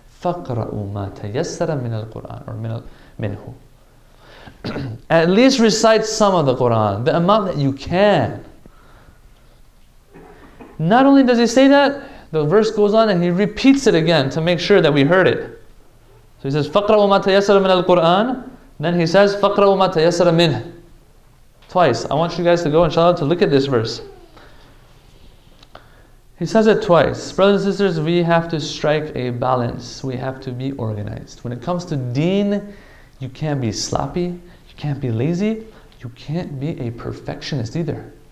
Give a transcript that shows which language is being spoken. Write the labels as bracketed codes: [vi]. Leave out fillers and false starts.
[ar] فَقْرَأُوا مَا تَيَسَّرَ مِنَ الْقُرْآنِ [en] or مِنْهُ At least recite some of the Qur'an, the amount that you can. Not only does he say that, the verse goes on and he repeats it again to make sure that we heard it. So he says, [ar] فَقْرَأُوا مَا تَيَسَّرَ مِنَ الْقُرْآنِ [en] Then he says, [ar] فَقْرَأُوا مَا تَيَسَّرَ مِنْهُ [en] Twice. I want you guys to go, inshallah, to look at this verse. He says it twice. Brothers and sisters, we have to strike a balance. We have to be organized. When it comes to deen, you can't be sloppy. You can't be lazy. You can't be a perfectionist either.